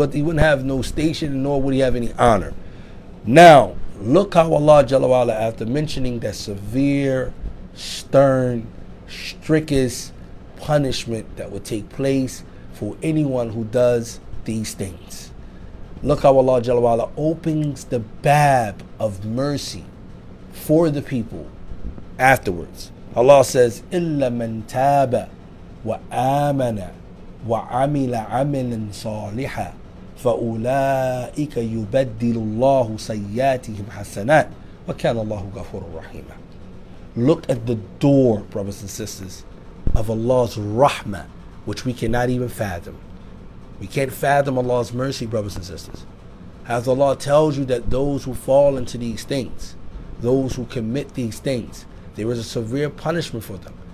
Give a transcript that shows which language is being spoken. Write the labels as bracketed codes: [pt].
[en] He wouldn't have no station, nor would he have any honor. Now, look how Allah Jalla wa'ala, after mentioning that severe, stern, strictest punishment that would take place for anyone who does these things. Look how Allah Jalla wa'ala opens the bab of mercy for the people afterwards. [ar] Allah says, إِلَّا مَنْ تَابَ وَآمَنَ وَعَمِلَ عَمِلًا صَالِحًا فَأُولَٰئِكَ يُبَدِّلُ اللَّهُ سَيَّاتِهِمْ حَسَنَاتٍ وَكَانَ اللَّهُ غَفُورًا رَحِيمًا. [en] Look at the door, brothers and sisters, of Allah's rahmah, which we cannot even fathom. We can't fathom Allah's mercy, brothers and sisters. As Allah tells you that those who fall into these things, those who commit these things, there is a severe punishment for them.